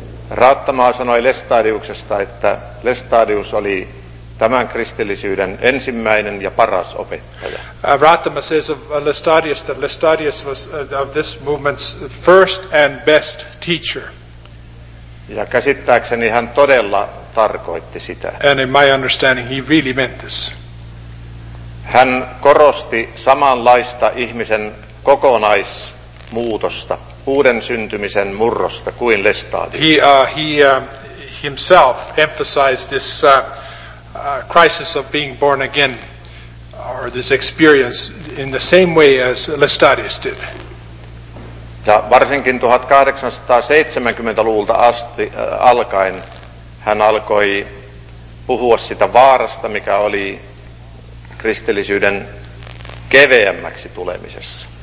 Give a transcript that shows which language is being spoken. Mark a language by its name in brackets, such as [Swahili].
[Finnish] Raattama sanoi Lestadiuksesta, että Lestadius oli tämän kristillisyyden ensimmäinen ja paras opettaja. [English] Raattama says of Lestadius that Lestadius was of this movement's first and best teacher. [Finnish] Ja käsittääkseni hän todella tarkoitti sitä. [English] And in my understanding he really meant this. [Finnish] Hän korosti samanlaista ihmisen kokonaismuutosta. Uuden syntymisen murrosta kuin Lestadius. [English] He himself emphasized this crisis of being born again, or this experience, in the same way as Lestadius did. [Finnish] Ja varsinkin 1870-luvulta asti alkaen hän alkoi puhua sitä vaarasta, mikä oli kristillisyyden keveämmäksi tulemisessa.